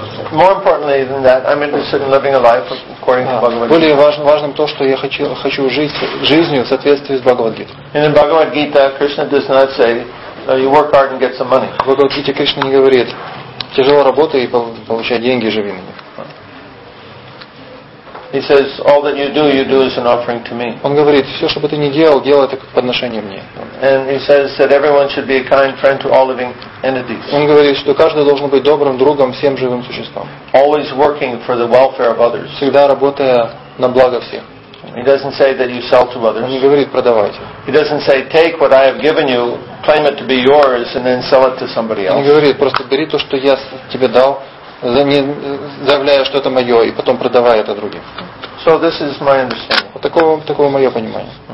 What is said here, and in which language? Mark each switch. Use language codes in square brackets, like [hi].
[en] More importantly than that, I'm interested in living a life according to Bhagavad Gita. [ru] Более важным то, что я хочу жить жизнью в соответствии с Бхагавад Гитой. [en] In the Bhagavad Gita, Krishna does not say, you work hard and get some money. [ru] В Бхагавад Гите Кришна не говорит, тяжело работай и получай деньги, живи на них. [en] He says, all that you do as an offering to me. [ru] Он говорит, все, что бы ты ни делал, делай это как подношение мне. [en] And he says that everyone should be a kind friend to all living entities. [ru] Он говорит, что каждый должен быть добрым другом всем живым существам. [en] Always working for the welfare of others. [ru] Всегда работая на благо всех. [en] He doesn't say that you sell to others. [ru] Он не говорит, продавайте. [en] He doesn't say, take what I have given you, claim it to be yours, and then sell it to somebody else. [ru] Он говорит, просто бери то, что я тебе дал, заявляя, что это мое, и потом продавая это другим. [en] So this is my understanding. [ru] Вот такого, такого мое понимание.